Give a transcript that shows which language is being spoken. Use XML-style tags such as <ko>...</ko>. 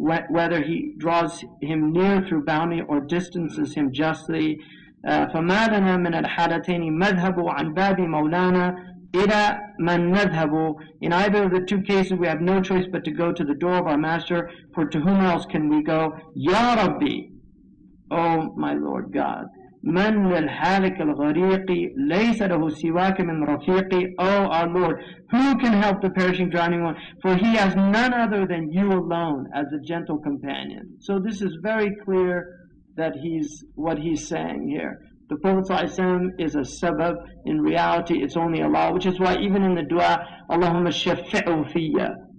<en>Whether he draws him near through bounty or distances him justly,</en> <ar>فَمَا لَنَا مِنَ الْحَالَتَيْنِ مَذْهَبُ عَنْ بَابِ مَوْلَانَا إِلَى مَنْ نَذْهَبُ.</ar> <en>In either of the two cases, we have no choice but to go to the door of our master, for to whom else can we go?</en> <ar>يَا رَبِّي,</ar> <en>O my Lord God,</en> <ar>مَنْ لِلْحَالِكَ الْغَرِيقِ لَيْسَ لَهُ سِوَاكَ مِنْ رَفِيقِ.</ar> <en>O our Lord, who can help the perishing drowning one? For he has none other than you alone as a gentle companion. So this is very clear that he's, what he's saying here. The Prophet ﷺ is a sabab. In reality, it's only Allah, which is why even in the dua, Allahumma shafi'u fiyya,</en>